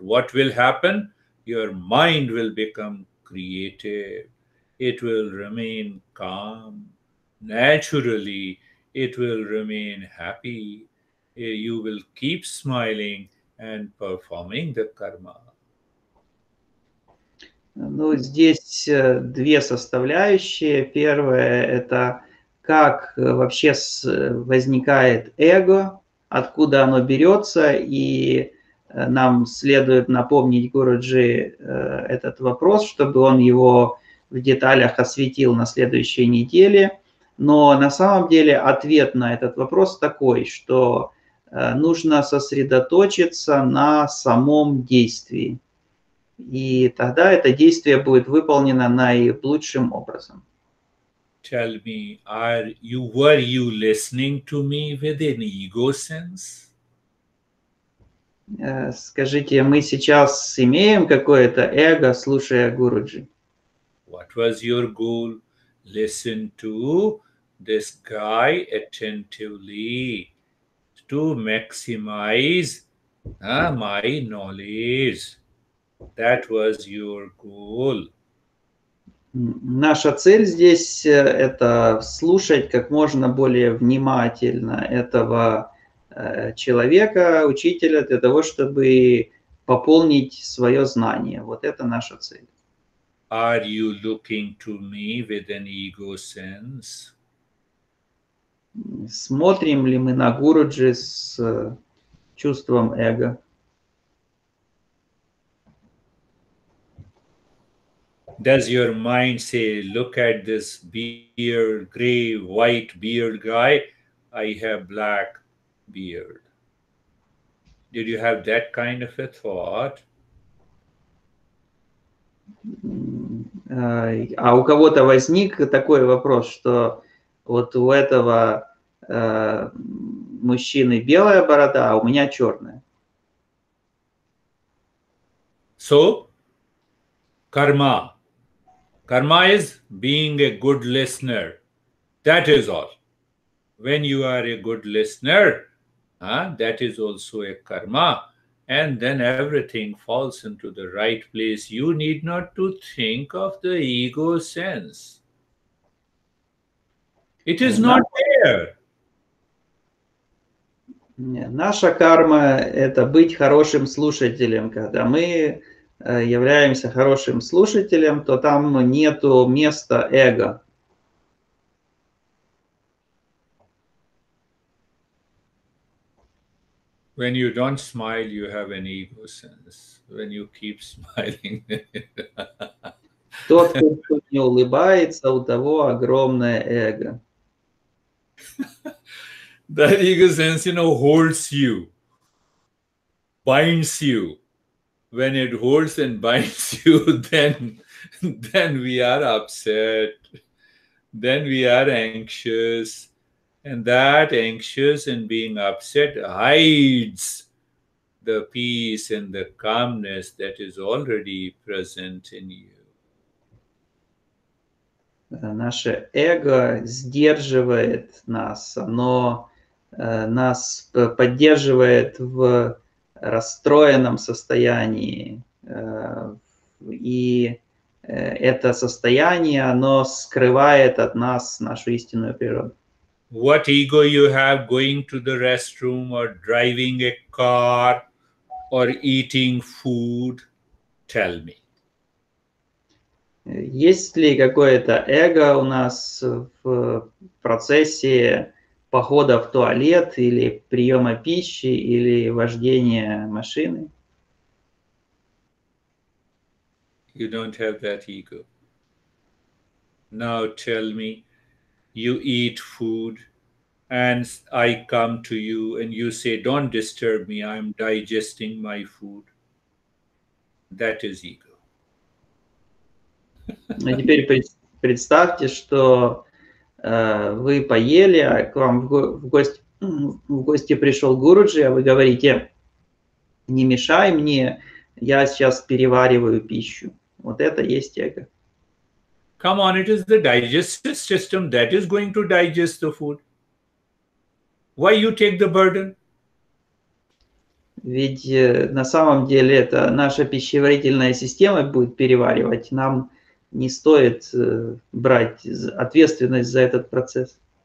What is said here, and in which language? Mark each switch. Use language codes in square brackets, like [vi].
[en] What will happen? Your mind will become creative. It will remain calm. Naturally, it will remain happy. You will keep smiling and performing the karma. [ru] Ну, здесь две составляющие. Первое это как вообще возникает эго, откуда оно берется, и нам следует напомнить Гуруджи этот вопрос, чтобы он его в деталях осветил на следующей неделе. Но на самом деле ответ на этот вопрос такой, что нужно сосредоточиться на самом действии. И тогда это действие будет выполнено наилучшим образом. [en] Tell me, were you listening to me with an ego sense? [ru] Скажите, мы сейчас имеем какое-то эго, слушая Гуруджи? [en] What was your goal? Listen to this guy attentively to maximize my knowledge. That was your goal. [ru] Наша цель здесь это слушать как можно более внимательно этого человека, учителя, для того, чтобы пополнить свое знание. Вот это наша цель. [en] Are you looking to me with an ego sense? [ru] Смотрим ли мы на Гуруджи с чувством эго? [en] Does your mind say, look at this beard, gray, white beard guy, I have black beard? Did you have that kind of a thought? [ru] А у кого-то возник такой вопрос, что вот у этого мужчины белая борода, а у меня черная. [en] So, karma. Karma is being a good listener. That is all. When you are a good listener, that is also a karma. And then everything falls into the right place. You need not to think of the ego sense. It is not there. [ru] Наша карма – это быть хорошим слушателем. Когда мы являемся хорошим слушателем, то там нету места эго. [en] When you don't smile, you have an ego sense. When you keep smiling. [ru] Тот, кто не улыбается, у того огромное эго. [en] That ego sense, you know, holds you, binds you. When it holds and binds you, then we are upset, then we are anxious, and that anxious and being upset hides the peace and the calmness that is already present in you. [ru] Наше эго сдерживает нас, оно нас поддерживает в расстроенном состоянии, и это состояние, оно скрывает от нас нашу истинную природу. [en] What ego you have going to the restroom or driving a car or eating food? Tell me. [ru] Есть ли какое-то эго у нас в процессе похода в туалет или приема пищи или вождения машины? [en] You don't have that ego. Now tell me, you eat food and I come to you and you say, don't disturb me, I'm digesting my food. That is ego. [ru] А теперь представьте, что вы поели, а к вам в гости пришел Гуруджи, а вы говорите, не мешай мне, я сейчас перевариваю пищу. Вот это есть эго. [en] Come on, it is the digestive system that is going to digest the food. Why you take the burden? [ru] Ведь на самом деле это наша пищеварительная система будет переваривать нам. Не стоит брать ответственность за этот процесс.